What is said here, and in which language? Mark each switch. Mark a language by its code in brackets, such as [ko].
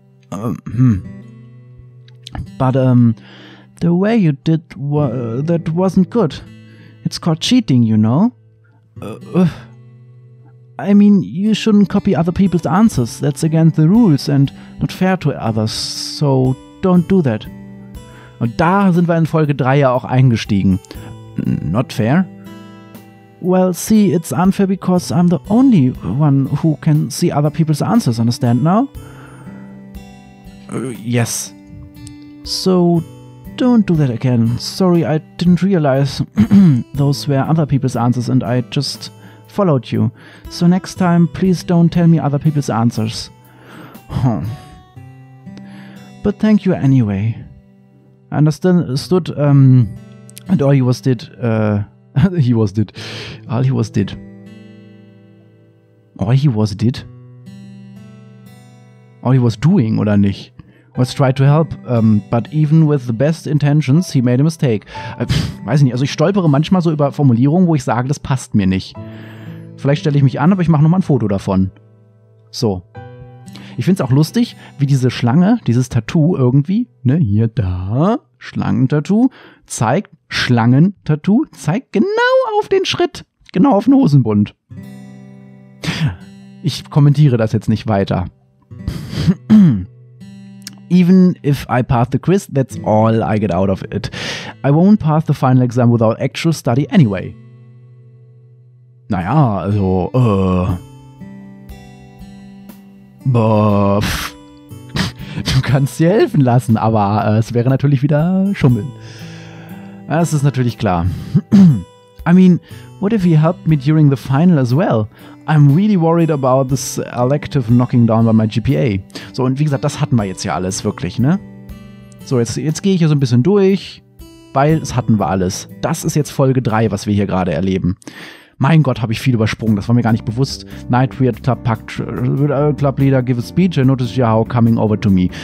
[en] But the way you did that wasn't good. It's called cheating, you know? I mean, you shouldn't copy other people's answers. That's against the rules and not fair to others. So don't do that. [de] Und da sind wir in Folge 3 ja auch eingestiegen. [en] Not fair? Well, see, it's unfair because I'm the only one who can see other people's answers. Understand now? Yes. So don't do that again. Sorry, I didn't realize those were other people's answers and I just followed you. So next time, please don't tell me other people's answers. But thank you anyway. I understood and all he was doing, [de] oder nicht? [en] Was tried to help, but even with the best intentions, he made a mistake. [de] Weiß ich nicht, also ich stolpere manchmal so über Formulierungen, wo ich sage, das passt mir nicht. Vielleicht stelle ich mich an, aber ich mache nochmal ein Foto davon. So. Ich finde es auch lustig, wie diese Schlange, dieses Tattoo irgendwie, ne, hier da, Schlangentattoo, zeigt, Schlangentattoo, zeigt genau auf den Schritt, genau auf den Hosenbund. Ich kommentiere das jetzt nicht weiter. [en] Even if I pass the quiz, that's all I get out of it. I won't pass the final exam without actual study anyway. [de] Naja, also, du kannst dir helfen lassen, aber es wäre natürlich wieder Schummeln. Das ist natürlich klar. [en] I mean, what if he helped me during the final as well? I'm really worried about this elective knocking down by my GPA. [de] So, und wie gesagt, das hatten wir jetzt ja alles, wirklich, ne? So, jetzt gehe ich hier so ein bisschen durch, weil es hatten wir alles. Das ist jetzt Folge 3, was wir hier gerade erleben. Mein Gott, habe ich viel übersprungen, das war mir gar nicht bewusst. [en] Nightweird Club Leader give a speech, I notice Yao coming over to me.